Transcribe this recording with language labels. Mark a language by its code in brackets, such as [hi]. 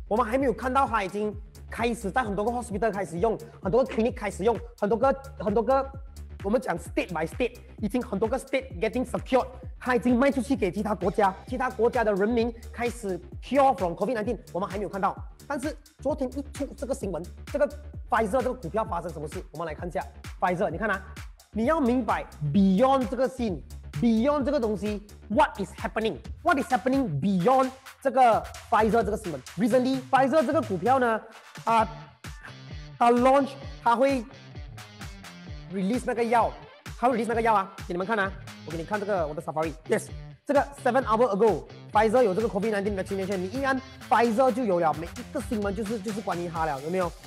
[zh] 我们还没有看到它已经开始在很多个 hospital 开始用，很多个 clinic 开始用，很多个，我们讲 [en] state by state， [zh] 已经很多个 [en] state getting secured， [zh] 它已经卖出去给其他国家的人民开始 [en] cure from COVID-19， [zh] 我们还没有看到。但是昨天一出这个新闻，这个 Pfizer 这个股票发生什么事？我们来看一下 Pfizer， 你看啊，你要明白 beyond 这个 scene。 Beyond 这个东西 ， [en] What is happening? What is happening beyond [zh] 这个 Pfizer 这个新闻 ？ [en] Recently, [zh] Pfizer 这个股票呢，它 launch， 它会 release 那个药，它会 release 那个药啊，给你们看啊，我给你看这个我的 Safari。 [en] Yes， [zh] 这个 [en] 7 hours ago， [zh] Pfizer 有这个 [en] COVID-19 vaccination， [zh] 你一按 Pfizer 就有了，每一个新闻就是关于它了，有没有？